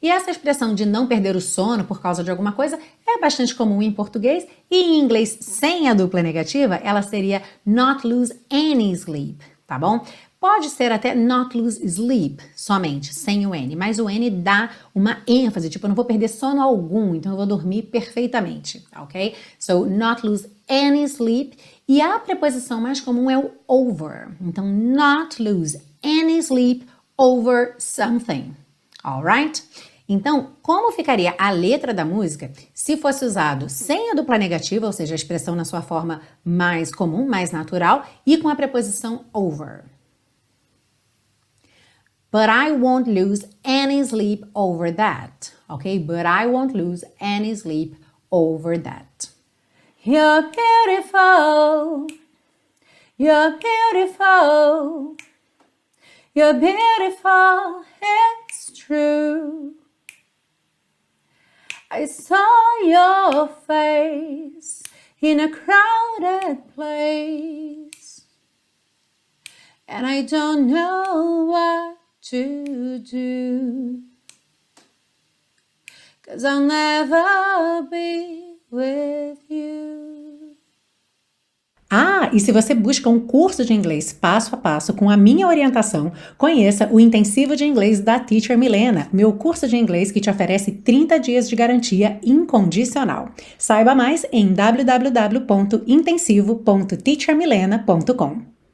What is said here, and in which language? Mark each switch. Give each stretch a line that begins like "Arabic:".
Portuguese: E essa expressão de não perder o sono por causa de alguma coisa é bastante comum em português, e em inglês sem a dupla negativa, ela seria
English: not lose any sleep,
Portuguese: tá bom? Pode ser até
English: not lose sleep
Portuguese: somente, sem o N, mas o N dá uma ênfase, tipo, eu não vou perder sono algum, então eu vou dormir perfeitamente, ok?
English: So, not lose any sleep.
Portuguese: E a preposição mais comum é o over.
English: Então, not lose any sleep over something, alright?
Portuguese: Então, como ficaria a letra da música se fosse usado sem a dupla negativa, ou seja, a expressão na sua forma mais comum, mais natural, e com a preposição over?
English: But I won't lose any sleep over that, ok? But I won't lose any sleep over that. You're beautiful, you're beautiful. You're beautiful, it's true. I saw your face in a crowded place, and I don't know what to do, 'cause I'll never be with you.
Portuguese: Ah, e se você busca um curso de inglês passo a passo com a minha orientação, conheça o Intensivo de Inglês da Teacher Milena, meu curso de inglês que te oferece 30 dias de garantia incondicional. Saiba mais em www.intensivo.teachermilena.com.